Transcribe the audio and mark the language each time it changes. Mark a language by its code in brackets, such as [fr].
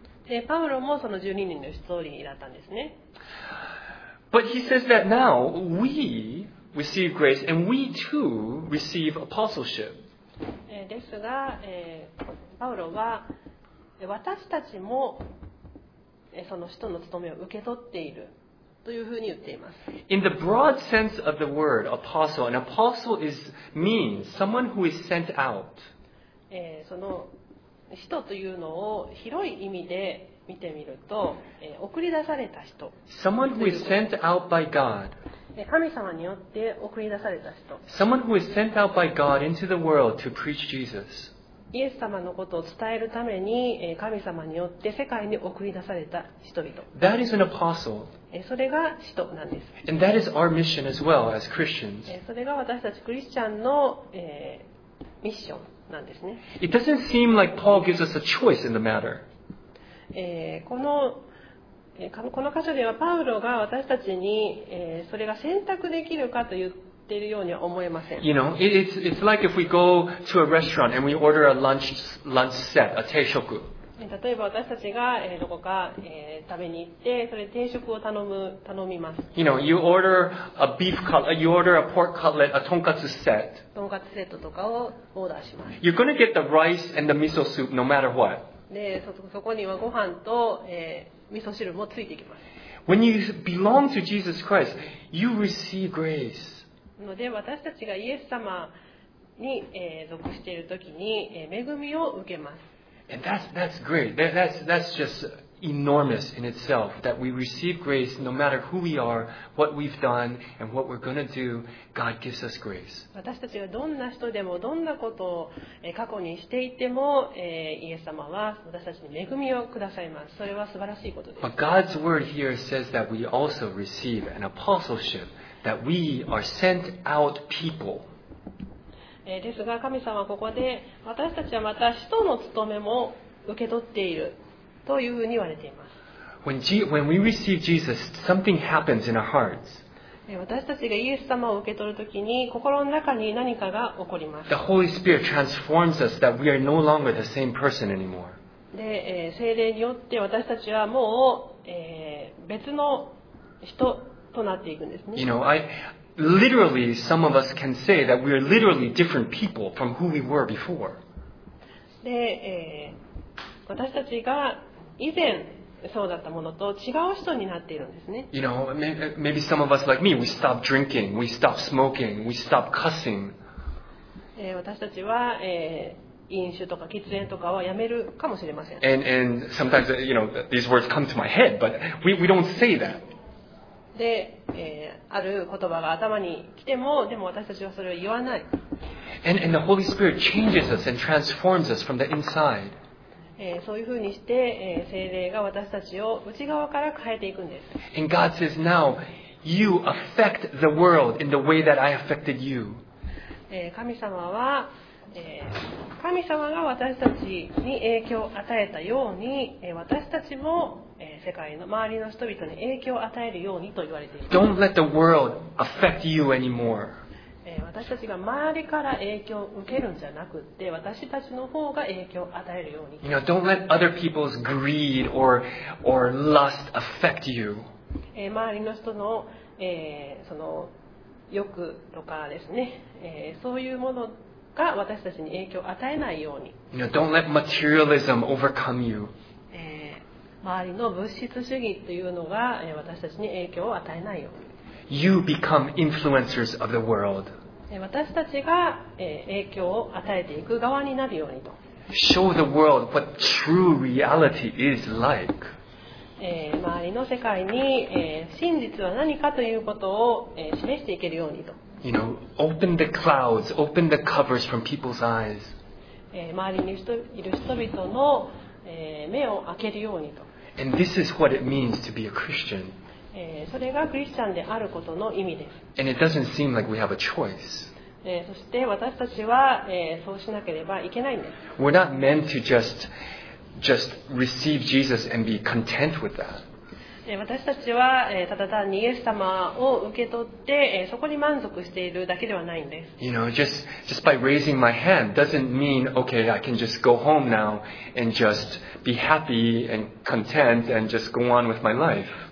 [ja] で、パウロもその12人の一人だったんですね。 [en] But he says that now we receive grace and we too receive apostleship. [ja] ですが、パウロは私たちもその使徒の務めを受け取っている。というふうに言っています。 [en] In the broad sense of the word apostle, an apostle means someone who is sent out. [ja] その使徒というのを広い意味で見てみると、送り出された人。 [en] Someone who is sent out by God. [ja] 神様によって送り出された人。 [en] Someone who is sent out by God into the world to preach Jesus. [ja] イエス様のことを伝えるために神様によって世界に送り出された人々。 [en] That is an apostle. [ja] それが使徒なんです。 [en] And that is our mission as well as Christians. [ja] それが私たちクリスチャンの、ミッションなんですね。 [en] It doesn't seem like Paul gives us a choice in the matter. [ja] この、この箇所ではパウロが私たちに、それが選択できるかと言っているようには思えません。 [en] You know, it's like if we go to a restaurant and we order a lunch set, a 定食。 [ja] 例えば私たちがどこか食べに行って、それ定食を頼みます。 [en] You know, you order a beef cutlet, you order a pork cutlet, a tonkatsu set. [ja] トンカツセットとかをオーダーします。 [en] You're gonna get the rice and the miso soup no matter what. [ja] で、そこにはご飯と、味噌汁もついてきます。 [en] When you belong to Jesus Christ, you receive grace. [ja] ので、私たちがイエス様に属しているときに恵みを受けます。 [en] And that's great. That's just enormous in itself that we receive grace no matter who we are, what we've done, and what we're going to do. God gives us grace. [ja] 私たちがどんな人でもどんなことを過去にしていてもイエス様は私たちに恵みをくださいます。それは素晴らしいことです。 [en] But God's word here says that we also receive an apostleship, that we are sent out people. [ja] ですが神様はここで私たちはまた使徒の務めも受け取っているというふうに言われています。 [en] When we receive Jesus, something happens in our hearts. [ja] 私たちがイエス様を受け取るときに心の中に何かが起こります。 [en] The Holy Spirit transforms us that we are no longer the same person anymore. [ja] で、聖霊によって私たちはもう、別の人となっていくんですね。 [en] You know, Literally, some of us can say that we are literally different people from who we were before. [ja] で、私たちが以前そうだったものと違う人になっているんですね。 [en] You know, maybe some of us like me, we stopped drinking, we stopped smoking, we stopped cussing. [ja] 私たちは、飲酒とか喫煙とかはやめるかもしれません。 [en] And sometimes, you know, these words come to my head, but we don't say that. [ja] で、ある言葉が頭に来ても、でも私たちはそれを言わない。 [en] And the Holy Spirit changes us and transforms us from the inside. [ja] そういうふうにして、聖霊が私たちを内側から変えていくんです。 [en] And God says, now you affect the world in the way that I affected you. [ja] 神様は、神様が私たちに影響を与えたように、私たちも世界の周りの人々に影響を与えるようにと言われています。 [en] Don't let the world affect you anymore. [ja] 私たちが周りから影響を受けるんじゃなくて、私たちの方が影響を与えるように。 [en] You know, don't let other people's greed or lust affect you. [ja] 周りの人の、その欲とかですね、そういうものが私たちに影響を与えないように。 [en] You know, don't let materialism overcome you. [ja] 周りの物質主義というのが私たちに影響を与えないように。 [en] You become influencers of the world. [ja] 私たちが影響を与えていく側になるようにと。 [en] Show the world what true reality is like. [ja] 周りの世界に真実は何かということを示していけるようにと。 [en] You know, open the clouds, open the covers from people's eyes. [ja] 周りにいる人々の目を開けるようにと。 [en] And this is what it means to be a Christian. [ja] それがクリスチャンであることの意味です。 [en] And it doesn't seem like we have a choice. [ja] そして私たちは、そうしなければいけないんです。 [en] We're not meant to just receive Jesus and be content with that. [ja] 私たちは、ただ単にイエス様を受け取って、そこに満足しているだけではないんです。 [en] You know, just by raising my hand doesn't mean, okay, I can just go home now and just be happy and content and just go on with my life.